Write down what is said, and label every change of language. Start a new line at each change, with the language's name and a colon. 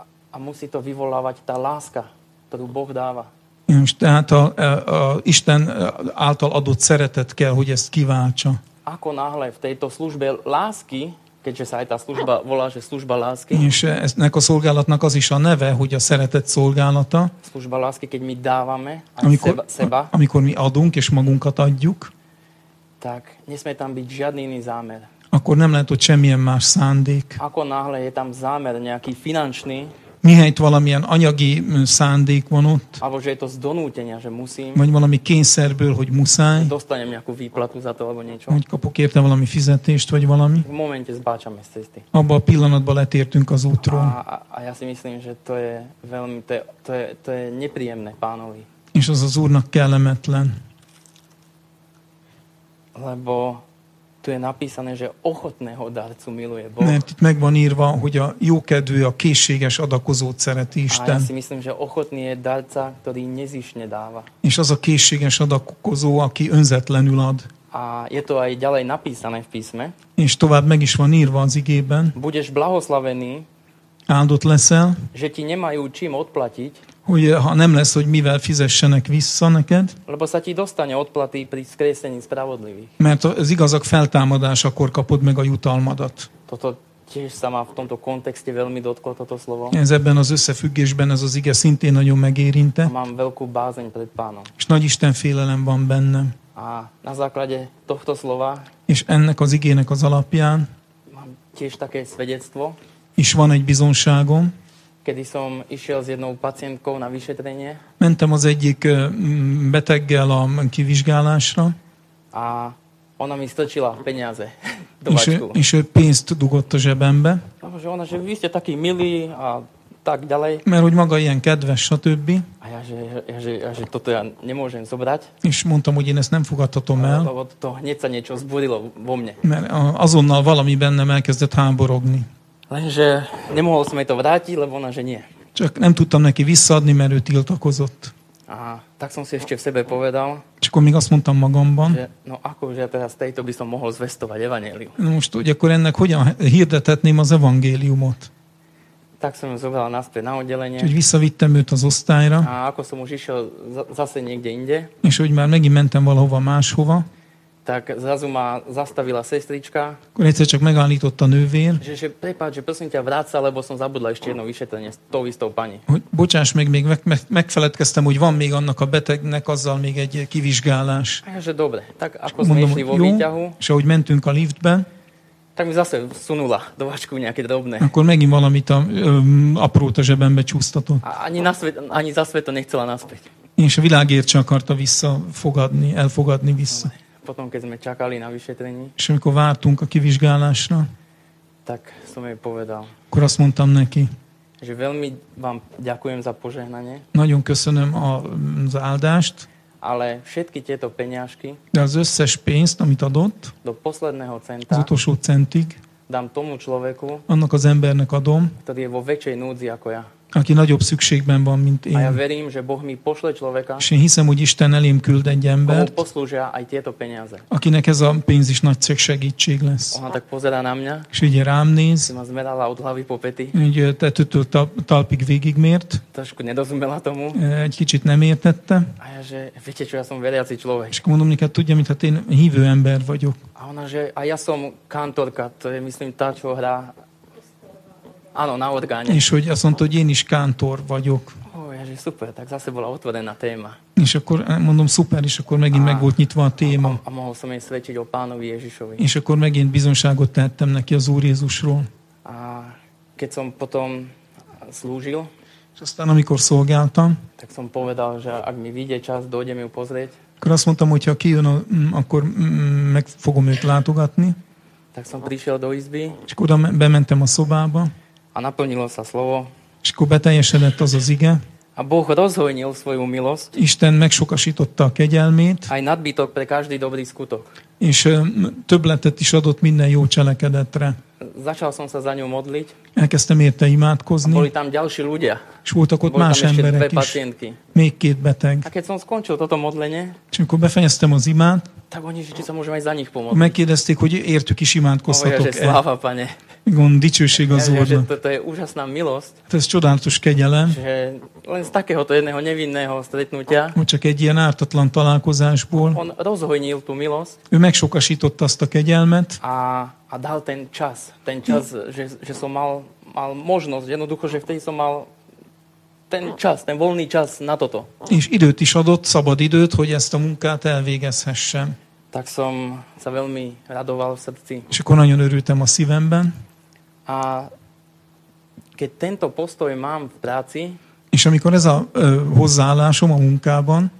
Slovak: A musí to vyvolávať tá láska, ktorú Boh dáva.
Hungarian: És tehát a Isten által adott szeretet kell, hogy ezt kiváltsa.
Slovak: Ako náhle v tejto službe lásky, keďže sa aj tá služba volá, že služba lásky.
Hungarian: És ennek a szolgálatnak az is a neve, hogy a szeretet szolgálata.
Slovak: Služba lásky, keď mi dávame,
Hungarian: amikor,
Slovak: seba.
Hungarian: Amikor mi adunk és magunkat adjuk.
Slovak: Tak nesmie tam byť žiadny iný zámer.
Hungarian: Akkor nem lehet, hogy semmilyen más szándék.
Slovak: Ako náhle je tam zámer nejaký finančný.
Hungarian: Mihelyt valamilyen anyagi szándék van ott.
Slovak: Alebo že je to z donútenia, že musím.
Hungarian: Vagy valami kényszerből, hogy muszáj.
Slovak: Dostanem nejakú výplatu za to, alebo niečo.
Hungarian: Hogy kapok érte valami fizetést, vagy valami.
Slovak: V momente zbáčame z cesty.
Hungarian: Abba a pillanatban letértünk az útról.
Slovak: A ja si myslím, že to je veľmi, to je nepríjemné pánovi.
Hungarian: És az az úrnak kellemetlen.
Slovak: Lebo tu je napísané, že ochotného darcu miluje Boh.
Hungarian: Mert itt meg van írva, hogy a jókedvű, a készséges adakozót szereti Isten.
Slovak: A ja si myslím, že ochotný je darca, ktorý nezišne dáva.
Hungarian: És az a készséges adakozó, aki önzetlenül ad.
Slovak: A je to aj ďalej napísané v písme.
Hungarian: És tovább meg is van írva az igében.
Slovak: Budeš blahoslavený.
Hungarian: Áldott leszel.
Slovak: Že ti nemajú čím odplatiť.
Hungarian: Hogy ha nem lesz, hogy mivel fizessenek vissza neked.
Slovak: Lebo sa ti dostane odplaty pri skresení spravodlivých.
Hungarian: Mert az igazak feltámadás, akkor kapod meg a jutalmadat.
Slovak: Toto tiež sa má v tomto kontexte veľmi dotklo toto slovo.
Hungarian: Ez ebben az összefüggésben ez az ige szintén nagyon megérinte.
Slovak: A mám veľkú bázeň pred pánom.
Hungarian: És nagy Isten félelem van bennem.
Slovak: A na základe tohto slova.
Hungarian: És ennek az igének az alapján.
Slovak: Mám tiež také svedectvo.
Hungarian: És van egy bizonságom.
Slovak: Kedy som išiel s jednou pacientkou na vyšetrenie.
Hungarian: Mentem az egyik beteggel a kivizsgálásra.
Slovak: A ona mi strčila peniaze do bačku.
Hungarian: És ő pénzt dugott a zsebembe.
Slovak: Že ona, že vy ste taký milý a tak ďalej.
Hungarian: Mert hogy maga ilyen kedves, stb.
Slovak: A ja, že toto ja nemôžem zobrať.
Hungarian: És mondtam, hogy én ezt nem fogadhatom el.
Slovak: Lebo to hneď sa niečo zbúrilo vo mne.
Hungarian: Mert azonnal valami bennem elkezdett háborogni.
Slovak: Lenže nemohol som jej to vrátiť, lebo ona, že nie.
Hungarian: Csak nem tudtam neki visszaadni, mert ő tiltakozott.
Slovak: A tak som si ešte v sebe povedal. Čo
Hungarian: akkor még azt mondtam magamban.
Slovak: Že, no akože teraz tejto by som mohol zvestovať evanjelium.
Hungarian: No most úgy, akkor ennek hogyan hirdetetném az evangéliumot?
Slovak: Tak som ju zobral naspäť na oddelenie.
Hungarian: Úgy visszavittem őt az osztályra.
Slovak: A ako som už išiel zase niekde inde.
Hungarian: És úgy már megint mentem valahova máshova.
Slovak: Tak zrazu ma zastavila sestrička.
Hungarian: Akkor egyszer csak megállított a nővér.
Slovak: Že prepáč, že prosím ťa vráca, lebo som zabudla ešte jedno vyšetrenie s tou istou pani.
Hungarian: Hogy bocsáss meg, még megfeledkeztem, hogy van még annak a betegnek azzal még egy kivizsgálás.
Slovak: A že dobre, tak ako sme išli vo výťahu.
Hungarian: És ahogy mentünk a liftbe.
Slovak: Tak mi zase sunula do vačku nejaké drobné.
Hungarian: Akkor megint valamit aprót a zsebembe csúsztatott.
Slovak: Ani za svet to nechcela naspäť.
Hungarian: És a világért sem akarta visszafogadni, elfogadni vissza.
Slovak: Potom, keď sme čakali na vyšetrení.
Hungarian: És amikor vártunk a kivizsgálásra.
Slovak: Tak som jej povedal.
Hungarian: Akkor azt mondtam neki.
Slovak: Že veľmi vám ďakujem za požehnanie.
Hungarian: Nagyon köszönöm za áldást.
Slovak: Ale všetky tieto peniažky.
Hungarian: De az összes pénzt, amit adott.
Slovak: Do posledného centa.
Hungarian: Az utolsó centig.
Slovak: Dám tomu človeku.
Hungarian: Annak az embernek adom.
Slovak: Ktorý je vo väčšej núdzi ako ja.
Hungarian: Aki nagyobb szükségben van, mint én.
Slovak: A ja verím, že Boh mi pošle človeka.
Hungarian: És én hiszem, hogy Isten elém küld egy embert.
Slovak: Komu poslúžia aj tieto peniaze.
Hungarian: Akinek ez a pénz is nagy segítség lesz.
Slovak: Ona tak pozerá na mňa.
Hungarian: És így rám néz.
Slovak: Si ma zmerala od hlavy po pety.
Hungarian: Így tetőtől talpig végigmért.
Slovak: Trošku nedozumela tomu.
Hungarian: Egy kicsit nem értette.
Slovak: A ja, že viete čo, ja som veriaci človek.
Hungarian: És mondom, nekem tudja, mintha én hívő ember vagyok.
Slovak: A ona, že a ja som kantorka, to je myslím tá, čo hrá. Áno, na orgáne.
Hungarian: És hogy azt mondta, hogy én is kántor vagyok.
Slovak: Ó, Ježi,
Hungarian: szuper,
Slovak: tak zase bola otvorená téma.
Hungarian: És akkor mondom, szuper, és akkor megint meg volt nyitva a téma.
Slovak: A mohol som én svedčiť o pánovi Ježišovi.
Hungarian: És akkor megint bizonságot tettem neki az Úr Jézusról.
Slovak: A keď som potom slúžil.
Hungarian: És aztán, amikor szolgáltam.
Slovak: Tak som povedal, že ak mi vyjde čas, dojdem ju pozrieť.
Hungarian: Akkor azt mondtam, hogyha kijön, akkor meg fogom őt látogatni.
Slovak: Tak som prišiel do izby.
Hungarian: És akkor bementem a szobába.
Slovak: A naplnilo sa slovo.
Hungarian: És akkor beteljesedett az az ige.
Slovak: A Boh rozhojnil svoju milosť.
Hungarian: Isten megsokasította a kegyelmét.
Slovak: Aj nadbytok pre každý dobrý skutok.
Hungarian: És többletet is adott minden jó cselekedetre.
Slovak: Začal som sa za ňu modliť.
Hungarian: Elkezdtem érte imádkozni.
Slovak: A boli tam ďalší ľudia.
Hungarian: És voltak ott más emberek is.
Slovak: Pacientky.
Hungarian: Még két beteg.
Slovak: A keď som skončil toto modlenie.
Hungarian: És akkor befejeztem az imát.
Slovak: Tak oni, že či sa môžem aj za nich pomôcť.
Hungarian: Megkérdezték, hogy értük is imádkoztatok-e.
Slovak: Oh, ja, sláva, Pane.
Hungarian: Igen, dicsőség az Úrnak.
Slovak: To je úžasná milosť. To je
Hungarian: čudantus kegyelem.
Slovak: Že len z takéhoto jedného nevinného stretnutia.
Hungarian: On csak egy ilyen ártatlan találkozásból.
Slovak: On rozhojnil tú milosť.
Hungarian: Ő megsokasította azt a kegyelmet.
Slovak: A dal ten čas, že som mal možnosť, jednoducho, že vtedy som mal ten čas, ten voľný čas na toto.
Hungarian: És időt is adott, szabad időt, hogy ezt a munkát elvégezhessem.
Slovak: Tak som sa veľmi radoval v srdci.
Hungarian: És akkor nagyon örültem a szívemben.
Slovak: A keď tento postoj mám v práci,
Hungarian: és amikor ez a hozzáállásom a munkában,